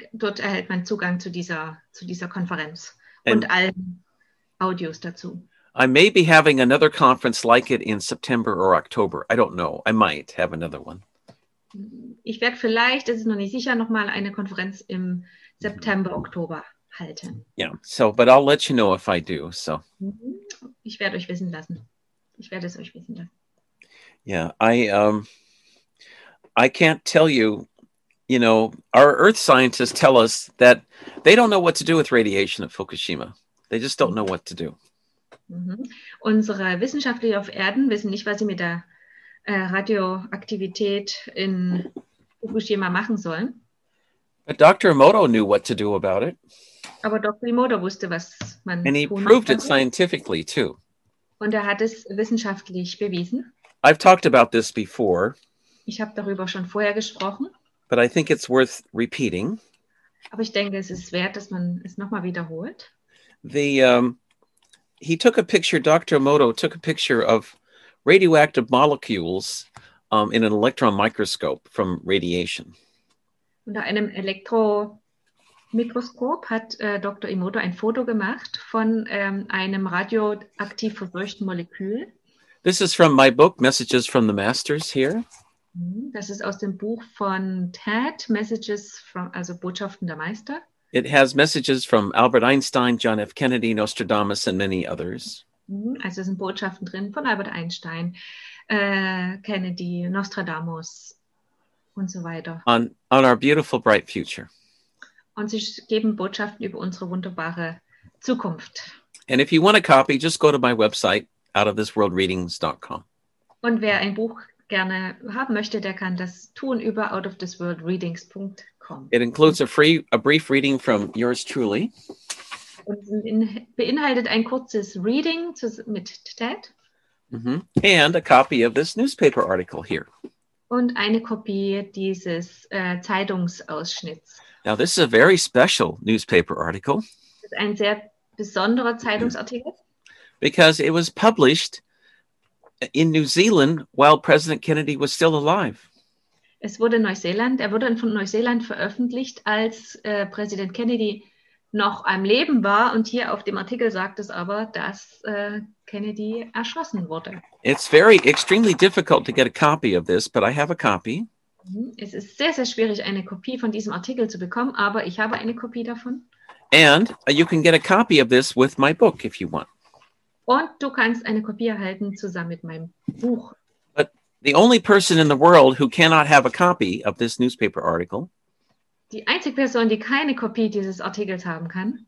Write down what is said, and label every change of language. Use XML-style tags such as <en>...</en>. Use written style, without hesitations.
<de>Dort erhält man Zugang zu dieser Konferenz und allen Audios dazu.</de> <en>I may be having another conference like it in September or October. I don't know. I might have another one.</en> <de>Ich werde vielleicht, es ist noch nicht sicher, nochmal eine Konferenz im September, Oktober halten.</de> <en>Yeah, so, but I'll let you know if I do, so.</en> <de>Ich werde euch wissen lassen. Ich werde es euch wissen lassen.</de> <en>Yeah, I can't tell you, you know, our Earth scientists tell us that they don't know what to do with radiation at Fukushima. They just don't know what to do. Mm-hmm.</en> <de>Unsere Wissenschaftler auf Erden wissen nicht, was sie mit der Radioaktivität in Fukushima machen sollen.</de> <en>But Dr. Emoto knew what to do about it.</en> <de>Aber Dr. Emoto wusste, was man</de> <en>And he proved it scientifically too.</en> <de>Und hat es wissenschaftlich bewiesen.</de> <en>I've talked about this before.</en> <de>Ich habe darüber schon vorher gesprochen.</de> <en>But I think it's worth repeating.</en> <de>Aber ich denke, es ist wert, dass man es nochmal wiederholt.</de> <en>Dr. Emoto took a picture of radioactive molecules in an electron microscope from radiation.</en> <de>Unter einem Elektro Mikroskop hat Dr. Emoto ein Foto gemacht von einem radioaktiv verseuchten Molekül.</de> <en>This is from my book, Messages from the Masters, here.</en> <de>Das ist aus dem Buch von Ted, Messages from, also Botschaften der Meister.</de> <en>It has messages from Albert Einstein, John F. Kennedy, Nostradamus and many others.</en> <de>Also es sind Botschaften drin von Albert Einstein, Kennedy, Nostradamus und so weiter.</de> <en>On our beautiful, bright future.</en> <de>Und sie geben Botschaften über unsere wunderbare Zukunft.</de> <en>And if you want a copy, just go to my website, outofthisworldreadings.com.</en> <de>Und wer ein Buch gerne haben möchte, der kann das tun über outofthisworldreadings.com.</de> <en>It includes a brief reading from yours truly.</en> <de>Und beinhaltet ein kurzes Reading mit Ted. Mm-hmm.</de> <en>And a copy of this newspaper article here.</en> <de>Und eine Kopie dieses Zeitungsausschnitts.</de> <en>Now this is a very special newspaper article.</en> <de>Das ist ein sehr besonderer Zeitungsartikel.</de> <en>Because it was published in New Zealand while President Kennedy was still alive.</en> <de>Es wurde in Neuseeland, er wurde von Neuseeland veröffentlicht, als Präsident Kennedy noch am Leben war. Und hier auf dem Artikel sagt es aber, dass Kennedy erschossen wurde.</de> <en>It's very extremely difficult to get a copy of this, but I have a copy.</en> <de>Es ist sehr, sehr schwierig, eine Kopie von diesem Artikel zu bekommen, aber ich habe eine Kopie davon.</de> <en>And you can get a copy of this with my book if you want.</en> <de>Und du kannst eine Kopie erhalten zusammen mit meinem Buch.</de> <en>But the only person in the world who cannot have a copy of this newspaper article.</en> <de>Die einzige Person, die keine Kopie dieses Artikels haben kann.</de>